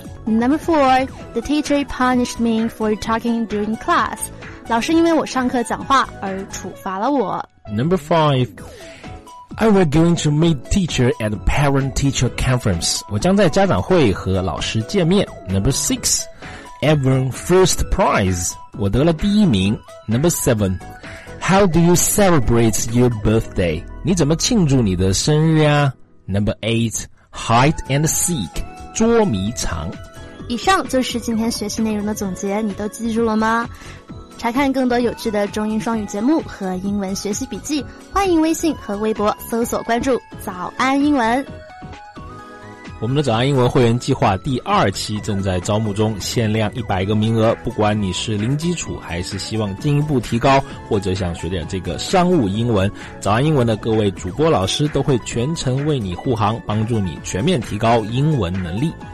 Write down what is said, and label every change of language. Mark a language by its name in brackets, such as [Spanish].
[English] Number four, the teacher punished me for talking during class, [Chinese] 老师因为我上课讲话而处罚了我。 [English] Number five, I will going to meet teacher at a parent-teacher conference. [Chinese] 我将在家长会和老师见面。 [English] Number six, I won first prize. [Chinese] 我得了第一名。 [English] Number seven, how do you celebrate your birthday? [Chinese] 你怎么庆祝你的生日啊？ [English] Number eight, hide and seek, [Chinese] 捉迷藏。以上就是今天学习内容的总结，你都记住了吗？查看更多有趣的中英双语节目和英文学习笔记，欢迎微信和微博搜索关注早安英文。我们的早安英文会员计划第二期正在招募中，限量100个名额，不管你是零基础还是希望进一步提高，或者想学点这个商务英文，早安英文的各位主播老师都会全程为你护航，帮助你全面提高英文能力。